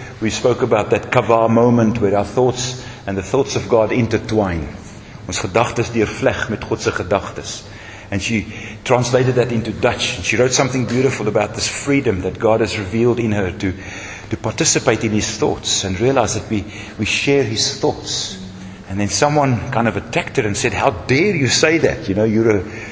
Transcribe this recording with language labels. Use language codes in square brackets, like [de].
[en] We spoke about that kavah moment where our thoughts and the thoughts of God intertwine. [af] Ons gedagtes deurvleg met God se gedagtes. [en] And she translated that into Dutch. She wrote something beautiful about this freedom that God has revealed in her to participate in His thoughts and realize that we share His thoughts. And then someone kind of attacked her and said, "How dare you say that? You know, you're a..."